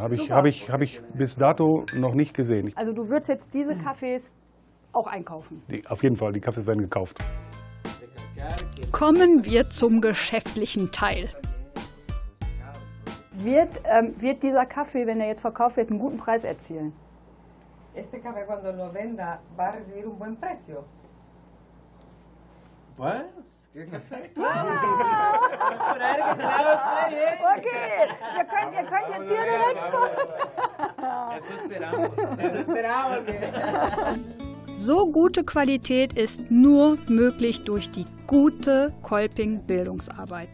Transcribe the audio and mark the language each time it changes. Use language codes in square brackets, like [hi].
[de] Hab ich bis dato noch nicht gesehen. Also du würdest jetzt diese Kaffees auch einkaufen? Auf jeden Fall, die Kaffees werden gekauft. Kommen wir zum geschäftlichen Teil. Wird dieser Kaffee, wenn er jetzt verkauft wird, einen guten Preis erzielen? [es] Este café cuando lo venda va a recibir un buen precio. [de] Was? [es] ¿Qué café? [de] Okay, ihr könnt jetzt hier direkt. [es] Eso esperamos. [de] So gute Qualität ist nur möglich durch die gute Kolping-Bildungsarbeit.